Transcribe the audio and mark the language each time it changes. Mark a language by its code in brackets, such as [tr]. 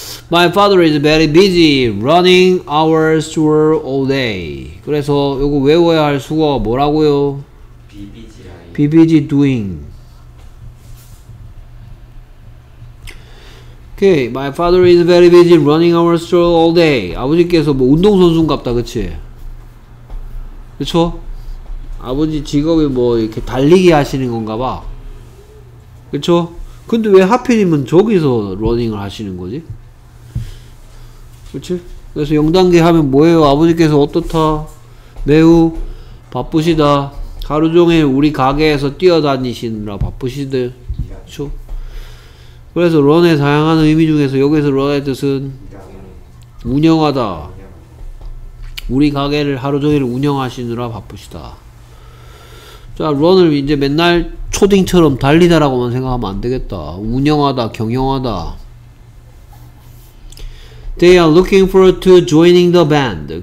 [en] My father is very busy running our store all day. [ko] 그래서 요거 외워야 할 수거가 뭐라고요? [en] Be busy doing. Okay. My father is very busy running our store all day. [ko] 아버지께서 뭐 운동선수인 같다, 그치? 그쵸? 아버지 직업이 뭐 이렇게 달리기 하시는 건가 봐. 그쵸? 근데 왜 하필이면 저기서 러닝을 하시는 거지? 그치? 그래서 0단계 하면 뭐예요? 아버지께서 어떻다? 매우 바쁘시다. 하루 종일 우리 가게에서 뛰어다니시느라 바쁘시들. 그쵸? 그래서 런의 다양한 의미 중에서 여기서 런의 뜻은 운영하다. 우리 가게를 하루 종일 운영하시느라 바쁘시다. 자, 런을 이제 맨날 초딩처럼 달리다라고만 생각하면 안 되겠다. 운영하다, 경영하다. [en] They are looking forward to joining the band.